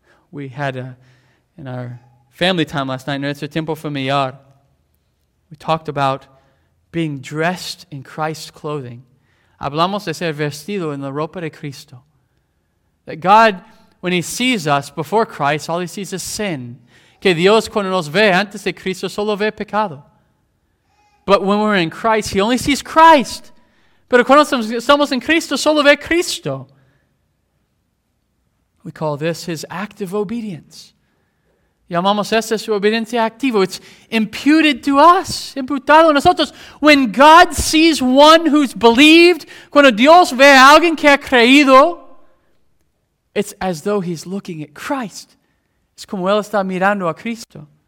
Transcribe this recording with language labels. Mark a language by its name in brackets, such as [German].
[English] We had in our family time last night, [Spanish] nuestro tiempo familiar, [English] we talked about being dressed in Christ's clothing. [Spanish] Hablamos de ser vestido en la ropa de Cristo. [English] That God, when He sees us before Christ, all He sees is sin. [Spanish] Que Dios cuando nos ve antes de Cristo solo ve pecado. [English] But when we're in Christ, He only sees Christ. [Spanish] Pero cuando estamos en Cristo, solo ve Cristo. [English] We call this His active obedience. [Spanish] Llamamos esta su obediencia activa. [English] It's imputed to us, [Spanish] imputado a nosotros. [English] When God sees one who's believed, [Spanish] cuando Dios ve a alguien que ha creído, [English] it's as though He's looking at Christ. [Spanish] Es como Él está mirando a Cristo.